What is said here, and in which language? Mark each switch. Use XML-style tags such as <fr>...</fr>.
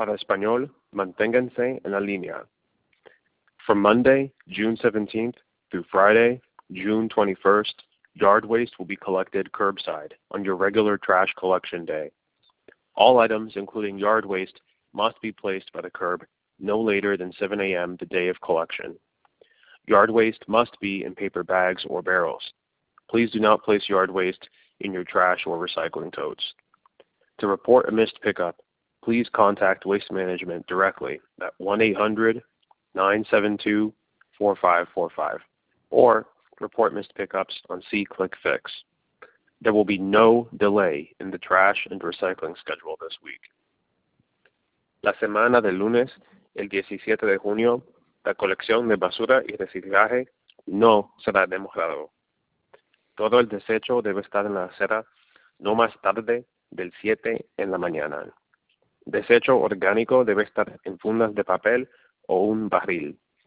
<es>Para español, manténganse en la línea.</es> <en>From Monday, June 17th, through Friday, June 21st, yard waste will be collected curbside on your regular trash collection day. All items, including yard waste, must be placed by the curb no later than 7 a.m. the day of collection. Yard waste must be in paper bags or barrels. Please do not place yard waste in your trash or recycling totes. To report a missed pickup, please contact Waste Management directly at 1-800-972-4545 or report missed pickups on C-Click-Fix. There will be no delay in the trash and recycling schedule this week.</en> <es>La semana de lunes, el 17 de junio, la colección de basura y reciclaje no será demorado. Todo el desecho debe estar en la acera no más tarde del 7 en la mañana. Desecho orgánico debe estar en fundas de papel o un barril.</es>